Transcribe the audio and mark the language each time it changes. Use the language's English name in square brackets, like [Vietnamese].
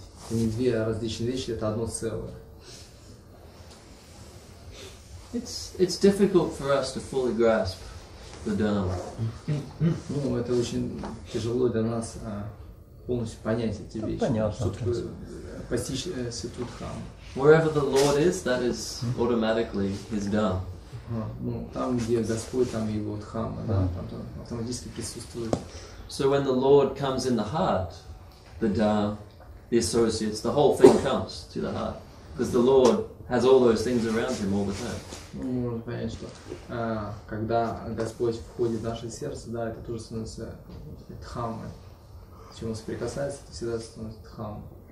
[Russian] Это не две различные вещи, это одно целое. [English] It's difficult for us to fully grasp the Dhamma. [Russian] Ну, это очень тяжело для нас полностью понять эти вещи. Понятно. Постичь Святую Дхамму. [English] Wherever the Lord is, that is automatically His Dham. [Russian] Ну, там, где Господь, там Его Дхамма, да, там автоматически присутствует. [English] So when the Lord comes in the heart, the Dham, the associates, the whole thing comes to the heart. Because the Lord has all those things around Him all the time. [Russian] Можно понять, что когда Господь входит в наше сердце, да, это тоже становится Дхаммой. Чем он соприкасается, это всегда становится Дхаммой.